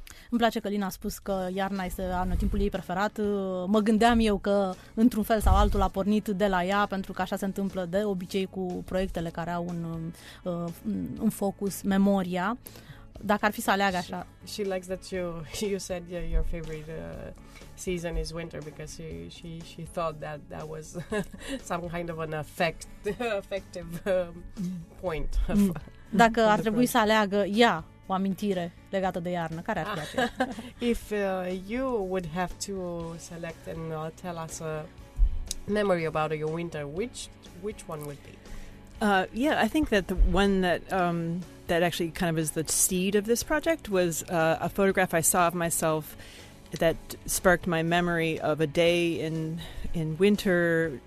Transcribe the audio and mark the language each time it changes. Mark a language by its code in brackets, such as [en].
[ro] Îmi place că Lina a spus că iarna este anotimpul ei preferat. Mă gândeam eu că într-un fel sau altul a pornit de la ea, pentru că așa se întâmplă de obicei cu proiectele care au un focus memoria. Dacă ar fi să aleagă așa. [en] She likes that you said your favorite season is winter because she thought that was some kind of an effective point. [ro] Dacă ar trebui să aleagă ea o amintire legată de iarnă, care ar fi aceea? [en] If you would have to select and tell us a memory about your winter, which one would be? Yeah, I think that the one that that actually kind of is the seed of this project was a photograph I saw of myself that sparked my memory of a day in winter.